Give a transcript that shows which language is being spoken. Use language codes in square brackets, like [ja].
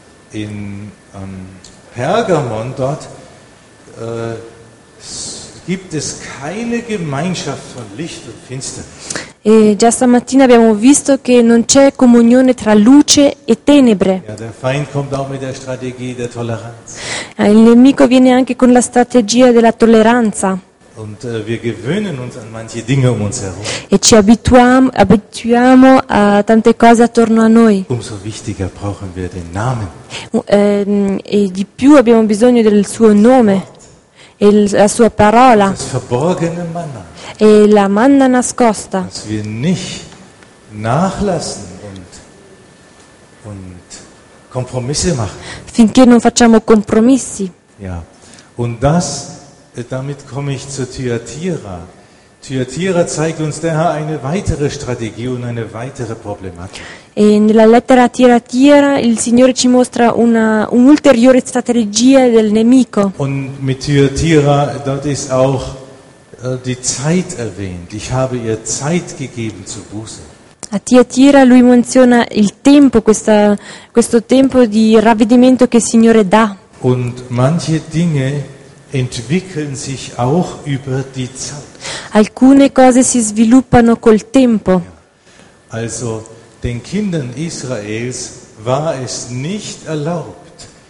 [de] In Pergamon, dort, gibt es keine Gemeinschaft von Licht und Finsternis. [it] E già stamattina abbiamo visto che non c'è comunione tra luce e tenebre. [de] Ja, der Feind kommt auch mit der Strategie der Toleranz. [it] Il nemico viene anche con la strategia della tolleranza. [de] Und wir gewöhnen uns an manche Dinge um uns herum. [it] E ci abituiamo a tante cose attorno a noi. [de] Umso wichtiger brauchen wir den Namen. [it] E di più abbiamo bisogno del suo nome. E la sua parola manna, e la manna nascosta [de] wir nicht nachlassen und Kompromisse machen. [it] Finché non facciamo compromessi. [de] Ja. Und das damit komme ich zu Thyatira. Thyatira zeigt uns daher eine weitere Strategie und eine weitere Problematik. [it] E nella lettera a Tiratira il Signore ci mostra un'ulteriore strategia del nemico. [de] Und mit Thyatira dort ist auch die Zeit erwähnt. Ich habe ihr Zeit gegeben zu Buße. [it] A Tiatira lui menziona il tempo, questo tempo di ravvedimento che il Signore dà. [de] Und manche Dinge entwickeln sich auch über die Zeit. [it] Alcune cose si sviluppano col tempo. [de] Also den Kindern Israels war es nicht erlaubt.